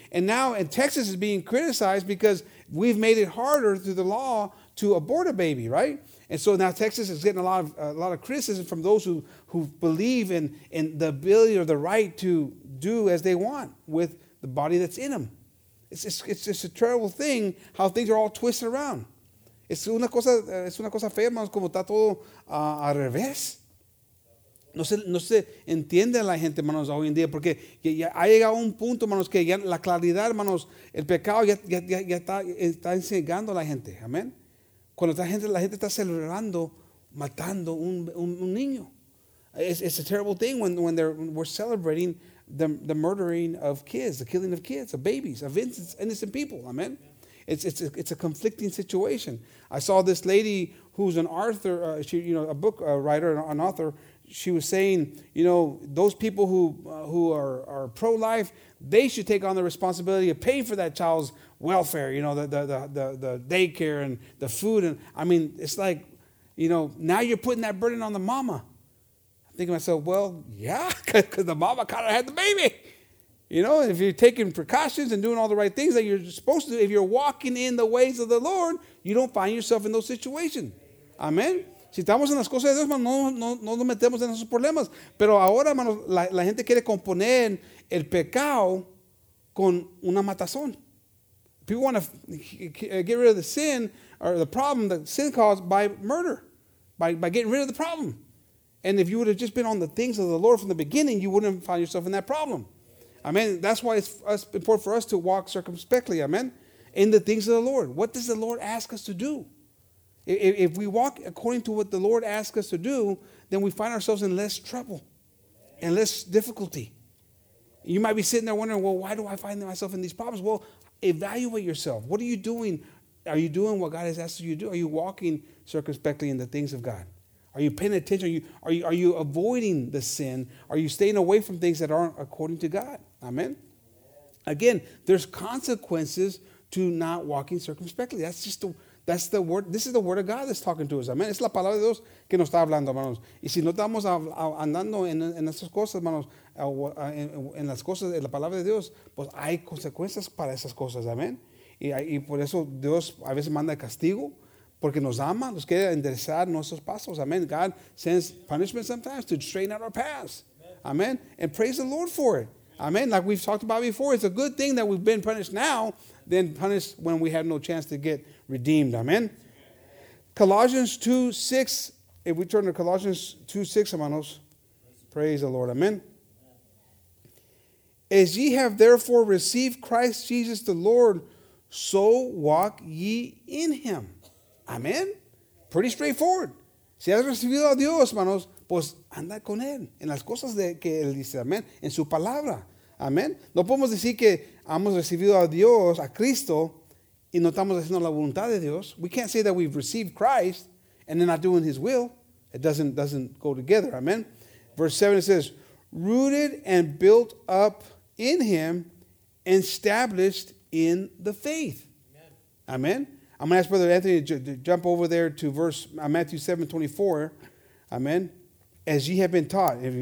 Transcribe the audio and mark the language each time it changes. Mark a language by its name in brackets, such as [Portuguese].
[English] And now, and Texas is being criticized because we've made it harder through the law to abort a baby, right? And so now Texas is getting a lot of criticism from those who believe in the ability or the right to do as they want with the body that's in them. It's just a terrible thing how things are all twisted around. [Spanish] Es una cosa fea, hermanos, como está todo al revés. No se entiende a la gente, hermanos, hoy en día, porque ya ha llegado un punto, hermanos, que ya la claridad, hermanos, el pecado ya está encegando a la gente. Amén. Cuando la gente está celebrando, matando un niño. [English] It's a terrible thing when we're celebrating the murdering of kids, the killing of kids, of babies, of innocent people. Amen. It's a conflicting situation. I saw this lady who's an author, a book writer, an author. She was saying, you know, those people who are pro-life, they should take on the responsibility of paying for that child's welfare, you know, the daycare and the food. And I mean, it's like, you know, now you're putting that burden on the mama. I'm thinking to myself, well, yeah, because the mama kind of had the baby. You know, if you're taking precautions and doing all the right things that you're supposed to, if you're walking in the ways of the Lord, you don't find yourself in those situations. Amen. [Spanish] Si estamos en las cosas de Dios, hermano, no nos metemos en esos problemas. Pero ahora, hermano, la gente quiere componer el pecado con una matazón. [English] People want to get rid of the sin or the problem that sin caused by murder, by getting rid of the problem. And if you would have just been on the things of the Lord from the beginning, you wouldn't find yourself in that problem. Amen. That's why it's important for us to walk circumspectly, amen, in the things of the Lord. What does the Lord ask us to do? If we walk according to what the Lord asks us to do, then we find ourselves in less trouble and less difficulty. You might be sitting there wondering, well, why do I find myself in these problems? Well, evaluate yourself. What are you doing? Are you doing what God has asked you to do? Are you walking circumspectly in the things of God? Are you paying attention? Are you avoiding the sin? Are you staying away from things that aren't according to God? Amen? Again, there's consequences to not walking circumspectly. That's just the word. This is the word of God that's talking to us. Amen. [Spanish] Es la palabra de Dios que nos está hablando, hermanos. Y si no estamos andando en esas cosas, hermanos, en las cosas de la palabra de Dios, pues hay consecuencias para esas cosas. Amen. Y por eso Dios a veces manda el castigo, porque nos ama, nos quiere enderezar nuestros pasos. Amen. [English] God sends punishment sometimes to straighten out our paths. Amen. And praise the Lord for it. Amen. Like we've talked about before, it's a good thing that we've been punished now than punished when we had no chance to get redeemed. Amen. Colossians 2:6. If we turn to Colossians 2:6, hermanos, praise the Lord. Amen. As ye have therefore received Christ Jesus the Lord, so walk ye in him. Amen. Pretty straightforward. [Spanish] Si has recibido a Dios, hermanos, pues anda con él en las cosas de que él dice. Amen. En su palabra. Amen. No podemos decir que hemos recibido a Dios, a Cristo, y no estamos haciendo la voluntad de Dios. [English] We can't say that we've received Christ and then not doing his will. It doesn't go together. Amen. Verse 7, it says, rooted and built up in him, established in the faith. Amen. Amen. I'm going to ask Brother Anthony to jump over there to verse Matthew 7:24. Amen. As ye have been taught.